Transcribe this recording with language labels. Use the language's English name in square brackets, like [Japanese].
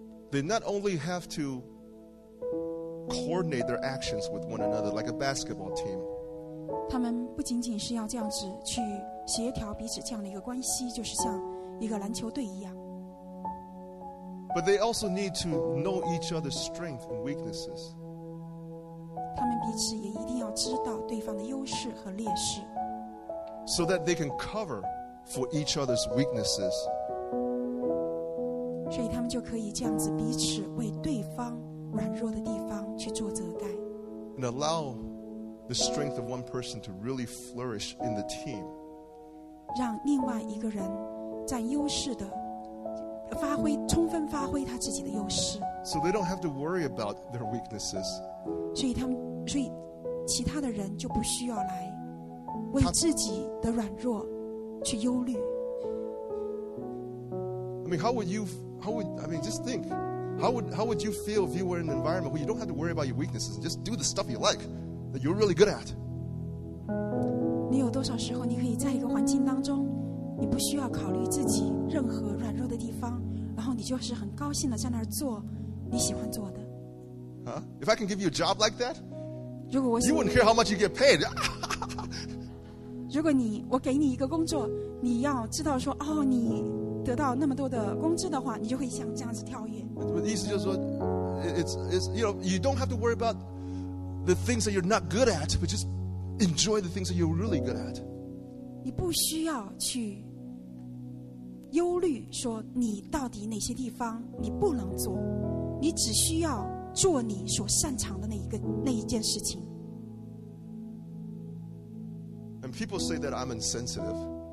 [English] They not only have to coordinate their actions with one another like a basketball team. [Chinese] 他们不仅仅是要这样子去协调彼此这样的一个关系，就是像一个篮球队一样。 [English] But they also need to know each other's strengths and weaknesses. [Chinese] 他们彼此也一定要知道对方的优势和劣势 [English] so that they can cover for each other's weaknesses [Chinese] 所以他们就可以这样子彼此为对方软弱的地方去做遮盖 [English] and allow the strength of one person to really flourish in the team [Chinese] 让另外一个人占优势的发挥充分发挥他自己的优势 [English] so they don't have to worry about their weaknesses [Chinese] 所以其他的人就不需要来为自己的软弱去忧虑。 [English] I mean, how would you feel if you were in an environment where you don't have to worry about your weaknesses and just do the stuff you like that you're really good at? [Chinese] 你有多少时候你可以在一个环境当中，你不需要考虑自己任何软弱的地方，然后你就是很高兴的在那儿做你喜欢做的。 Huh? [English] If I can give you a job like that? [Chinese] 如果我 [English] you wouldn't care how much you get paid. [Chinese] 如果你我给你一个工作，你要知道说哦，你得到那么多的工资的话，你就会想这样子跳跃。我的意思就是说 [English] ，it's you know you don't have to worry about the things that you're not good at, but just enjoy the things that you're really good at. [Chinese] 你不需要去忧虑说你到底哪些地方你不能做，你只需要。做你所擅长的那一件事情。 [English] And people say that I'm insensitive.